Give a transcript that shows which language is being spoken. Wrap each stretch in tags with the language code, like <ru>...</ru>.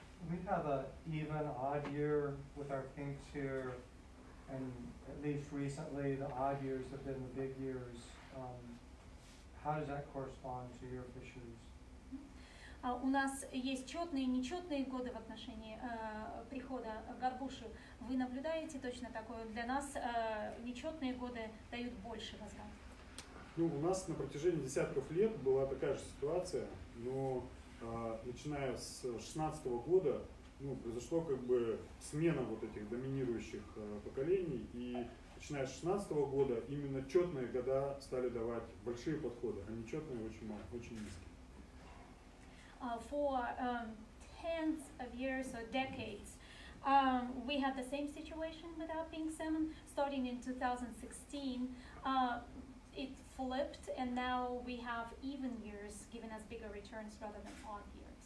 <en>We have an even odd year with our pinks here, and at least recently the odd years have been the big years. How does that correspond to your fisheries?</en> <ru>У нас есть четные и нечетные годы в отношении прихода горбуши. Вы наблюдаете точно такое? Для нас нечетные годы дают больше возврат. Ну, у нас на протяжении десятков лет была такая же ситуация, но начиная с 16-го года произошло как бы смена вот этих доминирующих поколений, и начиная с 16-го года именно четные года стали давать большие подходы, а нечетные очень мало, очень низкие.</ru> <en>For tens of years or decades, we had the same situation with our pink salmon. Starting in 2016, it flipped, and now we have even years, giving us bigger returns rather than odd years.</en>